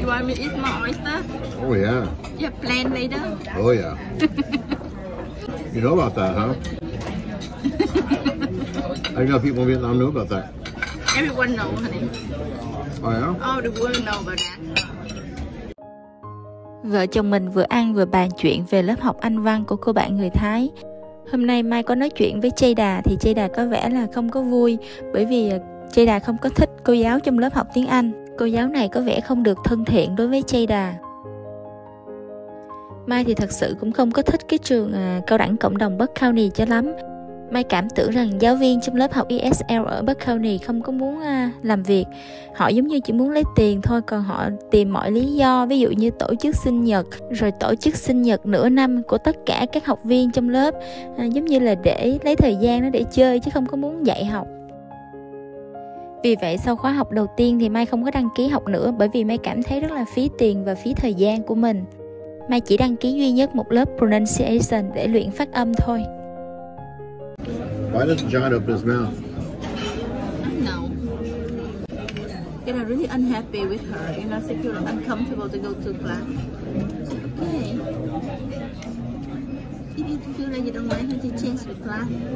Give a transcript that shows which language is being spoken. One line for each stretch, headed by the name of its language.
English: You want me to eat more oysters? Oh yeah. You have plan later? Oh yeah. You know about that, huh? I know people in Vietnam know about that. Everyone knows, honey. Oh yeah? All the world know about that.
Vietnamese: Vợ chồng mình vừa ăn vừa bàn chuyện về lớp học Anh văn của cô bạn người Thái. Hôm nay Mai có nói chuyện với Jada thì Jada có vẻ là không có vui, bởi vì Jada không có thích cô giáo trong lớp học tiếng Anh. Cô giáo này có vẻ không được thân thiện đối với Jada. Mai thì thật sự cũng không có thích cái trường cao đẳng cộng đồng Buck County cho lắm. Mai cảm tưởng rằng giáo viên trong lớp học ESL ở Buck County không có muốn làm việc. Họ giống như chỉ muốn lấy tiền thôi, còn họ tìm mọi lý do, ví dụ như tổ chức sinh nhật, rồi tổ chức sinh nhật nửa năm của tất cả các học viên trong lớp, giống như là để lấy thời gian đó để chơi chứ không có muốn dạy học. Vì vậy sau khóa học đầu tiên thì Mai không có đăng ký học nữa, bởi vì Mai cảm thấy rất là phí tiền và phí thời gian của mình. Mai chỉ đăng ký duy nhất một lớp pronunciation để luyện phát âm thôi.
English: Why doesn't John open his mouth? I don't know. You know, really unhappy with her. You know, she feels uncomfortable to go to class. Okay. If you feel like you don't like her, you change the class.